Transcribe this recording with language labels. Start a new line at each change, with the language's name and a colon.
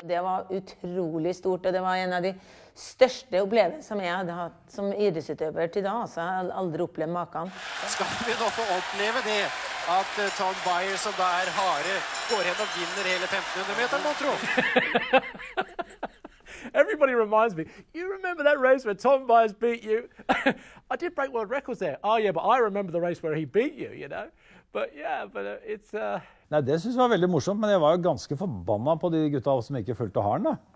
Norwegian: Det var utrolig stort, og det var en av de største opplevelsene jeg hadde hatt som idrettsutøver til da. Så jeg hadde aldri opplevd makene. Skal vi nå få oppleve det, at Tom Beyer, som da hare, går hen og vinner hele 1500 meter, må tro?
English: Everybody reminds me, you remember that race where Tom Byers beat you? I did break world records there. Oh yeah, but I remember the race where he beat you, you know? But yeah, but it's...
Norwegian: Nei, det synes jeg var veldig morsomt, men jeg var jo ganske forbanna på de gutta som ikke fulgte haren da.